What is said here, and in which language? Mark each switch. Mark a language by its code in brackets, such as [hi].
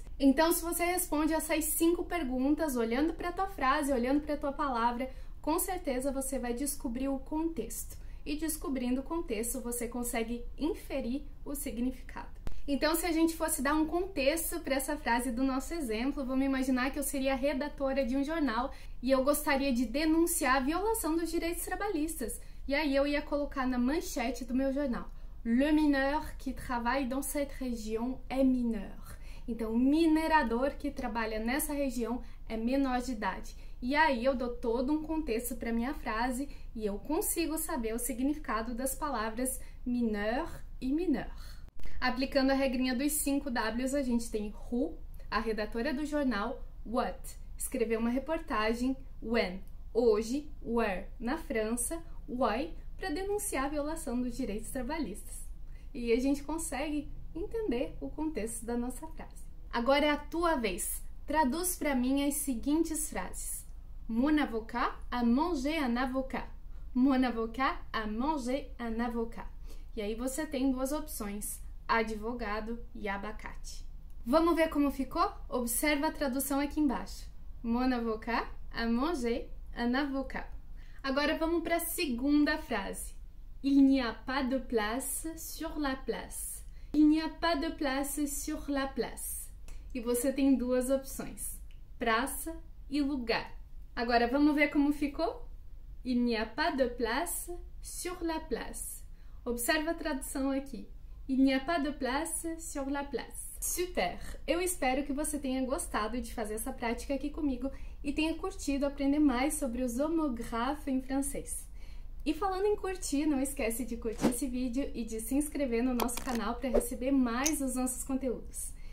[pt] Então, se você responde essas 5 perguntas, olhando para a tua frase, olhando para a tua palavra, com certeza você vai descobrir o contexto. E descobrindo o contexto, você consegue inferir o significado. Então, se a gente fosse dar um contexto para essa frase do nosso exemplo, vamos imaginar que eu seria redatora de um jornal e eu gostaria de denunciar a violação dos direitos trabalhistas. E aí eu ia colocar na manchete do meu jornal: [fr] Le mineur qui travaille dans cette région est mineur. [pt] Então, o minerador que trabalha nessa região é menor de idade. E aí eu dou todo um contexto para minha frase e eu consigo saber o significado das palavras mineur e mineur. Aplicando a regrinha dos 5 W's, a gente tem who, a redatora do jornal, what, escrever uma reportagem, when, hoje, where, na França, why, para denunciar a violação dos direitos trabalhistas. E a gente consegue entender o contexto da nossa frase. Agora é a tua vez. Traduz para mim as seguintes frases. [fr] Mon avocat a mangé un avocat. Mon avocat a mangé un avocat. [pt] E aí você tem duas opções, advogado e abacate. Vamos ver como ficou? Observa a tradução aqui embaixo. [fr] Mon avocat a mangé un avocat. [pt] Agora vamos para a segunda frase. [fr] Il n'y a pas de place sur la place. Il n'y a pas de place sur la place. [pt] E você tem duas opções, praça e lugar. Agora, vamos ver como ficou? [fr] Il n'y a pas de place sur la place. [pt] Observa a tradução aqui. [fr] Il n'y a pas de place sur la place. [pt] Super! Eu espero que você tenha gostado de fazer essa prática aqui comigo e tenha curtido aprender mais sobre os homographes em francês. E falando em curtir, não esquece de curtir esse vídeo e de se inscrever no nosso canal para receber mais os nossos conteúdos.